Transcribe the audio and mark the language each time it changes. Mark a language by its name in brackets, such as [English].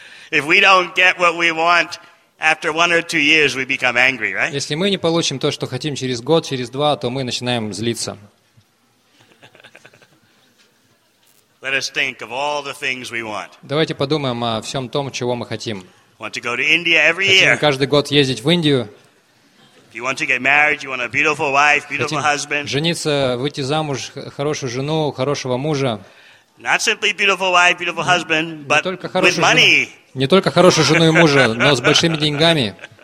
[English] If we don't get what we want after one or two years, we become angry, right? [Russian] Если мы не получим то, что хотим через год, через два, то мы начинаем злиться. [English] Let us think of all the things we want. [Russian] Давайте подумаем о всем том, чего мы хотим. [English] Want to go to India every year? [Russian] Хотим каждый год ездить в Индию. [English] If you want to get married, you want a beautiful wife, beautiful husband. [Russian] Жениться, выйти замуж, хорошую жену, хорошего мужа. [English] Not simply beautiful wife, beautiful husband, but with money. [Russian] Не только хорошую жену и мужа, но с большими деньгами.